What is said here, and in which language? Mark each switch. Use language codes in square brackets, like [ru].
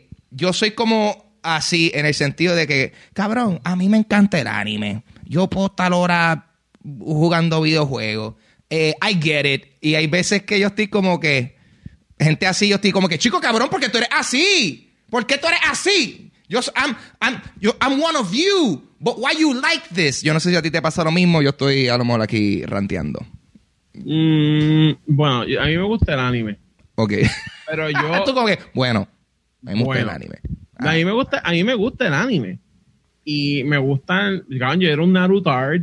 [es] Yo soy como así, en el sentido de que, cabrón, a mí me encanta el anime. Yo puedo estar hora jugando videojuegos. I get it. Y hay veces que yo estoy como que, gente así, yo estoy como que, chico, cabrón, ¿por qué tú eres así? ¿Por qué tú eres así? [en] I'm one of you, but why you like this? [es] Yo no sé si a ti te pasa lo mismo, yo estoy a lo mejor aquí ranteando. Bueno, a mí me gusta el anime. Ok. Pero yo... ¿Tú como que? Bueno, me gusta el anime. A mí me gusta el anime. Y me gustan... Cabrón, yo era un Naruto art.